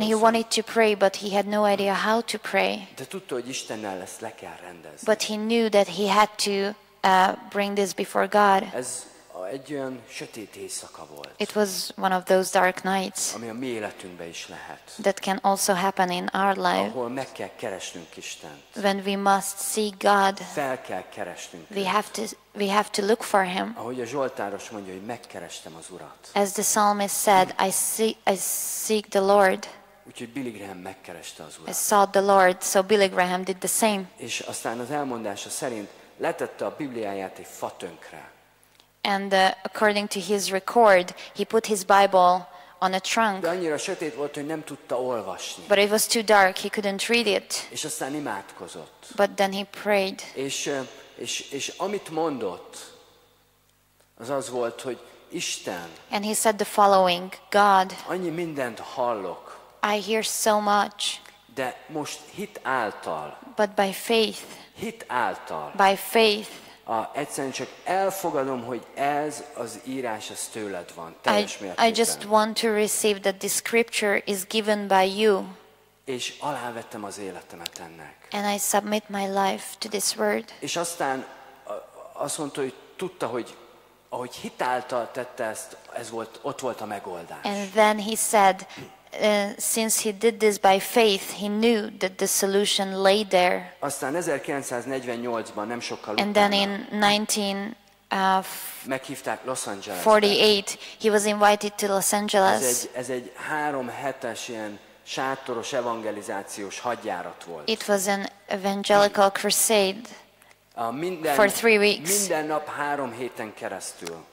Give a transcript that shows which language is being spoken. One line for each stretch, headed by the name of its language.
English: And he wanted to pray, but he had no idea how to pray.
Hungarian: De tudta, hogy Istennel ezt le kell rendezni.
English: But he knew that he had to bring this before God.
Hungarian: Ez egy olyan sötét éjszaka volt.
English: It was one of those dark nights.
Hungarian: Ami a mi életünkben is lehet.
English: That can also happen in our life.
Hungarian: Ahol meg kell keresnünk Istent.
English: When we must seek God.
Hungarian: Fel kell keresnünk.
English: We have to look for him.
Hungarian: Ahogy a Zsoltáros mondja, hogy megkerestem az Urat.
English: As the psalmist said, I seek the Lord.
Hungarian: Úgyhogy Billy Graham megkereste az Urat.
English: I sought the Lord, so Billy Graham did the same.
Hungarian: És aztán az elmondása szerint letette a Bibliáját egy fatönkre.
English: And according to his record, he put his Bible on a trunk.
Hungarian: De annyira sötét volt, hogy nem tudta olvasni.
English: But it was too dark, he couldn't read it.
Hungarian: És aztán imádkozott.
English: But then he prayed.
Hungarian: És amit mondott, az volt, hogy Isten.
English: And he said the following, God.
Hungarian: Annyi mindent hallok.
English: I hear so much.
Hungarian: De most hit által.
English: But by faith.
Hungarian: Hit által.
English: By faith.
Hungarian: Egyszerűen csak elfogadom, hogy ez az írás ez tőled van, teljes mértékben.
English: I just want to receive that this scripture is given by you.
Hungarian: És alávettem az életemet ennek.
English: And I submit my life to this word.
Hungarian: És aztán azt mondta, hogy tudta, hogy ahogy hit által tette ezt, ez volt, ott volt a megoldás.
English: And then he said, since he did this by faith, he knew that the solution lay there.
Hungarian: Aztán 1948-ban, nem sokkal utána.
English: And then in 1948, he was invited to Los Angeles.
Hungarian: Ez egy 3 hetes ilyen sátoros evangelizációs hadjárat volt.
English: It was an evangelical crusade. For 3 weeks.
Hungarian: Minden nap 3 héten keresztül.